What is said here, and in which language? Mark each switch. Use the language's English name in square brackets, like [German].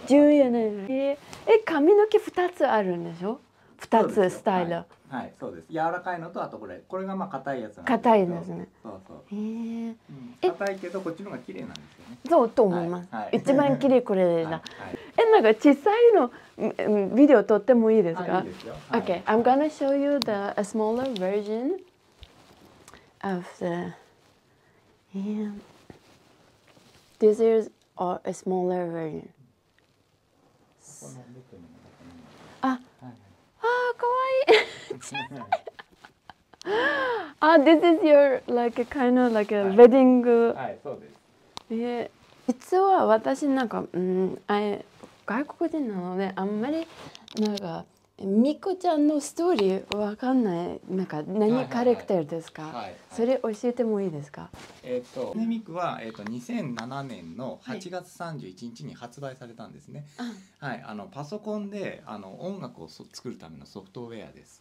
[Japanese] 14年、髪の毛2つあるんでしょ、2つスタイル、はい、はい、そうです。柔らかいのと、あとこれがまあ硬いやつなんですけど、硬いですね。そうそう、へえ、うん、硬いけどこっちの方が綺麗なんですよね。そうと思います、はいはい、一番綺麗これだ、はいはい、なんか小さいのビデオ撮ってもいいですか。いいですよ、 [English] はい、OK I'm gonna show you the a smaller version of the this is or a smaller version. Ah, kawaii. Ah, this is your like kind of like a wedding. Yeah. [Japanese] 実は私なんか、外国人なので、あんまりなんかみこちゃんのストーリーわかんない、なんか何カレクターですか、はいはいはい、それ教えてもいいですか。ねみくは、2007年の8月31日に発売されたんですね、はいはい、あのパソコンであの音楽を作るためのソフトウェアです。